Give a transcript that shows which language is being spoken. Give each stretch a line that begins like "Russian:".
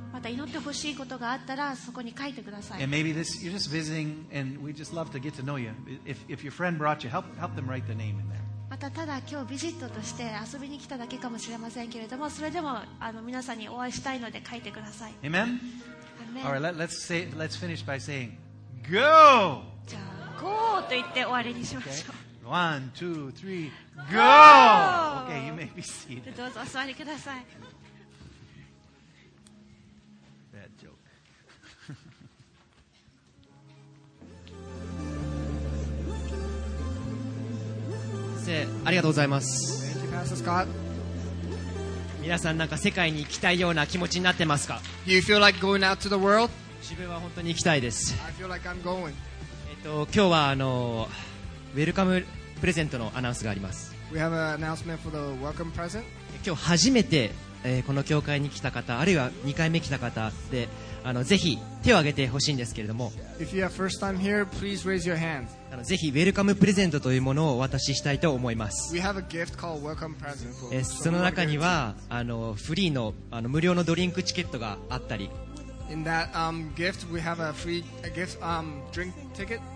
Japanese: また祈ってほしいことがあったらそこに書いてください。
English: And maybe this, you're just visiting and we just love to get to know you. If your friend brought you, help them write the name in there.
Japanese: またただ今日ビジットとして遊びに来ただけかもしれませんけれども、それでも皆さんにお会いしたいので書いてください。
English: Amen? All right, let's finish by saying, go!
Japanese: じゃあ、go! と言って終わりにしましょう。
English: Okay. One, two, three, go! Okay, you may be seated.
Japanese: どうぞお座りください。
English: Bad joke.
Japanese: せー、ありがとうございます。
English: Thank you, Pastor Scott.
Japanese: 皆さんなんか世界に行きたいような気持ちになってますか
English: You feel like going out to the world?
Japanese: 自分は本当に行きたいです
English: I feel like I'm going.
Japanese: 今日はウェルカムプレゼントのアナウンスがあります
English: We have an announcement for the welcome present.
Japanese: 今日初めて、この教会に来た方あるいは2回目来た方でぜひ手を挙げてほしいんですけれども
English: If you are first time here, please raise your hand.
Japanese: ぜひウェルカムプレゼントというものをお渡ししたいと思います
English: We have a gift called welcome present for
Japanese: その中にはフリー の, 無料のドリンクチケットがあったり
English: In that, gift, we have a free, gift, drink ticket.